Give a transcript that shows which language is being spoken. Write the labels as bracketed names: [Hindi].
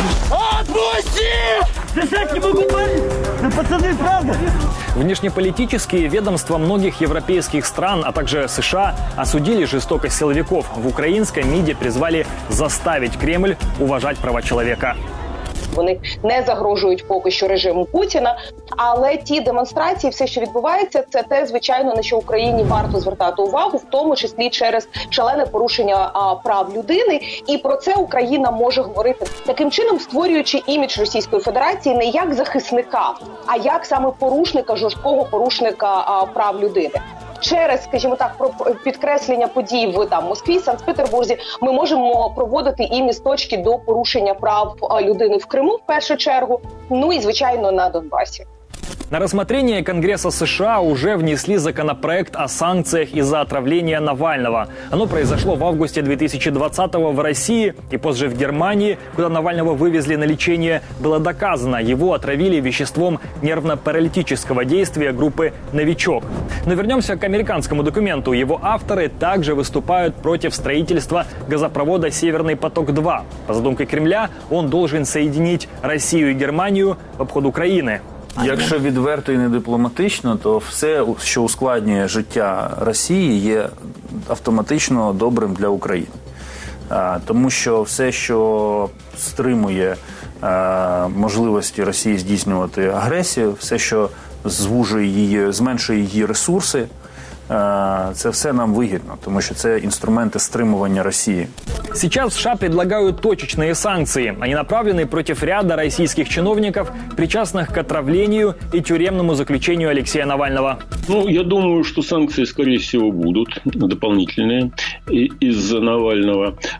[Russian] Отпусти! Дышать не могу, парень! Да пацаны, правда! Внешнеполитические ведомства многих европейских стран, а также США, осудили жестокость силовиков. В украинской МИДе призвали заставить Кремль уважать права человека. [Ukrainian] Вони не загрожують поки що режиму Путіна, але ті демонстрації, все, що відбувається, це те, звичайно, на що Україні варто звертати увагу, в тому числі через шалене порушення прав людини. І про це Україна може говорити. Таким чином, створюючи імідж Російської Федерації не як захисника, а як саме порушника, жорсткого порушника прав людини. через, скажімо так, про підкреслення подій в там Москві, Санкт-Петербурзі, ми можемо проводити і місточки до порушення прав людини в Криму в першу чергу, ну і звичайно на Донбасі. [Russian] На рассмотрение Конгресса США уже внесли законопроект о санкциях из-за отравления Навального. Оно произошло в августе 2020-го в России и позже в Германии, куда Навального вывезли на лечение, было доказано, его отравили веществом нервно-паралитического действия группы «Новичок». Но вернемся к американскому документу. Его авторы также выступают против строительства газопровода «Северный поток-2». По задумке Кремля, он должен соединить Россию и Германию в обход Украины. [Ukrainian] Якщо відверто і не дипломатично, то все, що ускладнює життя Росії, є автоматично добрим для України. Тому що все, що стримує можливості Росії здійснювати агресію, все, що звужує її, зменшує її ресурси, це все нам вигідно, тому що це інструменти стримування Росії. [Russian] Сейчас США предлагают точечные санкции. Они направлены против ряда российских чиновников, причастных к отравлению и тюремному заключению Алексея Навального. Ну, я думаю, что санкции, скорее всего, будут дополнительные из-за Навального.